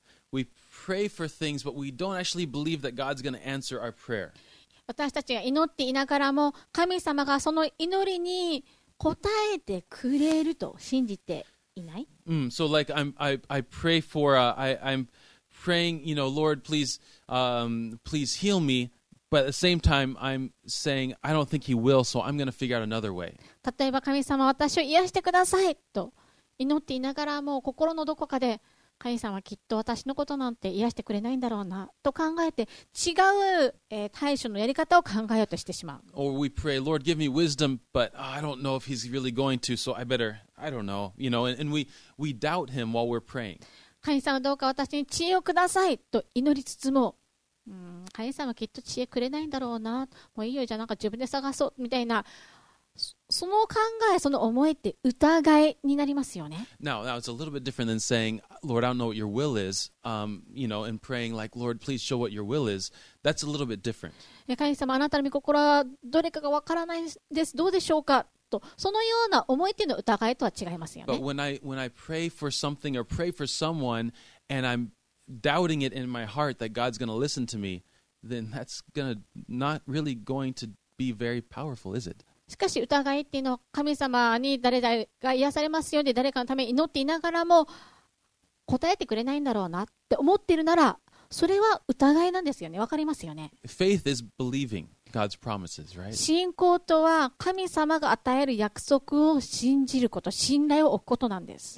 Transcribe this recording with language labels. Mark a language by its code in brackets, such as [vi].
[en] We pray for things, but we don't actually believe that God's going to answer our prayer. [ja] 私たちが祈っていながらも、神様がその祈りに答えてくれると信じていない？ [en] So like I pray for I'm praying, you know, Lord, please please heal me, but at the same time I'm saying I don't think he will, so I'm going to figure out another way. [ja] 例えば神様、私を癒してくださいと祈っていながらも、心のどこかで神様はきっと私のことなんて癒してくれないんだろうなと考えて、違う、対処のやり方を考えようとしてしまう。 [en] Or we pray, Lord, give me wisdom, but I don't know if he's really going to, so I better, I don't know, you know, and we doubt him while we're praying. [ja] 神様どうか私に知恵をくださいと祈りつつも、神様はきっと知恵くれないんだろうな、もういいよ、じゃあなんか自分で探そうみたいな、その考え、その思いって疑いになりますよね。 [en] Now, it's a little bit different than saying, Lord, I don't know what your will is, you know, and praying like, Lord, please show what your will is. That's a little bit different. [ja] 神様、あなたの御心はどれかがわからないです。どうでしょうか？と、そのような思いっていうのは疑いとは違いますよね。 [en] But when I pray for something or pray for someone and I'm doubting it in my heart that God's going to listen to me, then that's gonna not really going to be very powerful, is it? [ja] しかし疑いっていうのは、神様に誰々が癒されますように誰かのために祈っていながらも答えてくれないんだろうなって思っているなら、それは疑いなんですよね。わかりますよね。 [en] Faith is believing God's promises, right? [ja] 信仰とは神様が与える約束を信じること、信頼を置くことなんです。